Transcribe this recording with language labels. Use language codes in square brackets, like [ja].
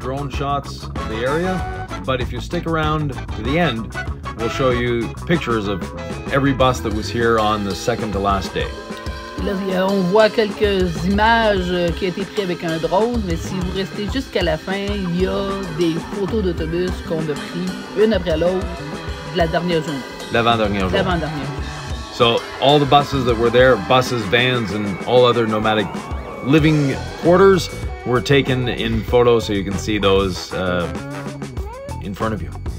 [en] Shots of the area, but if you stick around to the end, we'll show you pictures of every bus that was here on the second to last day. [fr] Là, on voit quelques images qui ont été prises avec un drone, mais si vous restez jusqu'à la fin, il y a des photos d'autobus qu'on a pris une après l'autre de la dernière journée. [en] So all the buses that were there, buses, vans, and all other nomadic living quarters, were taken in photos, so you can see those in front of you.